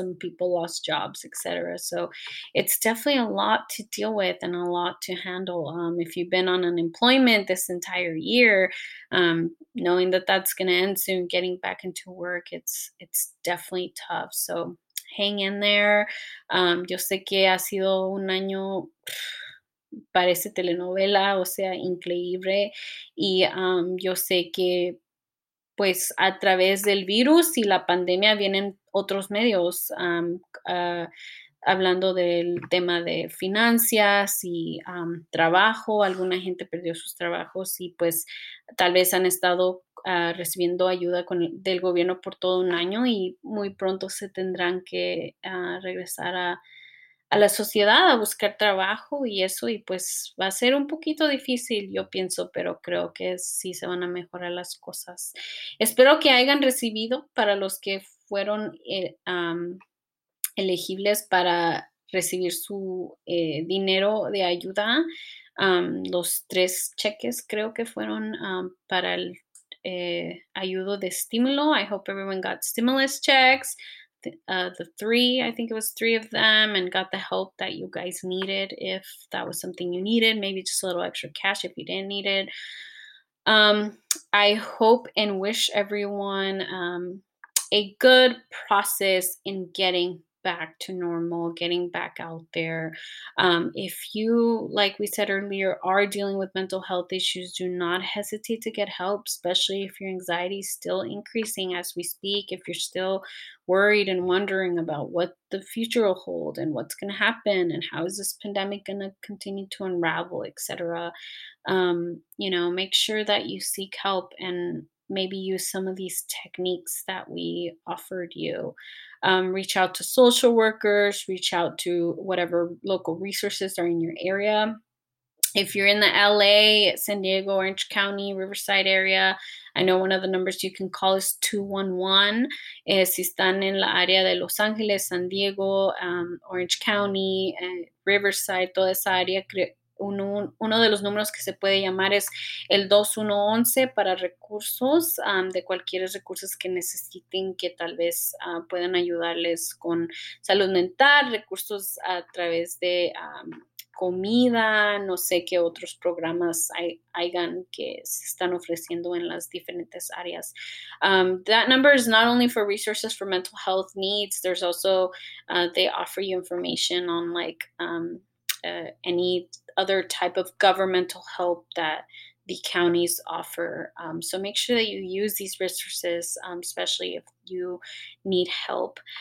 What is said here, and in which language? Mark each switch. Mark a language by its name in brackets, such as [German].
[English] Some people lost jobs, etc. So it's definitely a lot to deal with and a lot to handle. If you've been on unemployment this entire year, knowing that that's going to end soon, getting back into work, it's definitely tough. So hang in there. [Spanish] Yo sé que ha sido un año parece telenovela, o sea, increíble. Y yo sé que, pues, a través del virus y la pandemia vienen otros medios, hablando del tema de finanzas y trabajo. Alguna gente perdió sus trabajos y, pues, tal vez han estado recibiendo ayuda del gobierno por todo un año y muy pronto se tendrán que regresar a la sociedad, a buscar trabajo y eso, y pues va a ser un poquito difícil, yo pienso, pero creo que sí se van a mejorar las cosas. Espero que hayan recibido, para los que fueron elegibles para recibir su dinero de ayuda, los 3 cheques creo que fueron para el ayudo de estímulo. [English] I hope everyone got stimulus checks. I think it was three of them, and got the help that you guys needed, if that was something you needed, maybe just a little extra cash if you didn't need it. I hope and wish everyone a good process in getting back to normal, getting back out there. If you, like we said earlier, are dealing with mental health issues, do not hesitate to get help, especially if your anxiety is still increasing as we speak, if you're still worried and wondering about what the future will hold and what's going to happen and how is this pandemic going to continue to unravel, etc. You know, make sure that you seek help, and maybe use some of these techniques that we offered you. Reach out to social workers, reach out to whatever local resources are in your area. If you're in the LA, San Diego, Orange County, Riverside area, I know one of the numbers you can call is 211. [Spanish] Si están en la área de Los Ángeles, San Diego, Orange County, Riverside, toda esa área, uno de los números que se puede llamar es el 211 para recursos, de cualquier recursos que necesiten, que tal vez puedan ayudarles con salud mental, recursos a través de comida, no sé qué otros programas hayan que se están ofreciendo en las diferentes áreas. [English] That number is not only for resources for mental health needs, there's also, they offer you information on like any other type of governmental help that the counties offer. So make sure that you use these resources, especially if you need help.